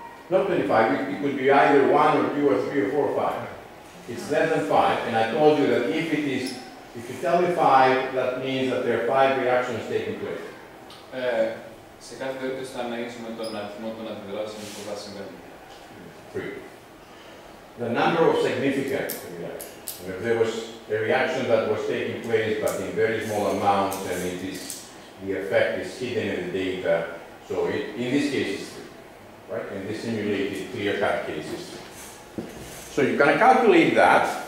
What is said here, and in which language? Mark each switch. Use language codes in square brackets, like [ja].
[en] Not 25, it could be either 1 or 2 or 3 or 4 or 5. It's less than 5, and I told you that if you tell me 5, that means that there are 5 reactions taking place. [el] Σε κάθε περίπτωση θα αναγνήσουμε τον αριθμό των αντιδράσεων που θα συμβαίνουν. [en] 3. The number of significant reactions. If there was a reaction that was taking place but in very small amounts and it is, the effect is hidden in the data, so it, in this case it's 3. Right, and this simulated clear-cut cases. So you're going to calculate that.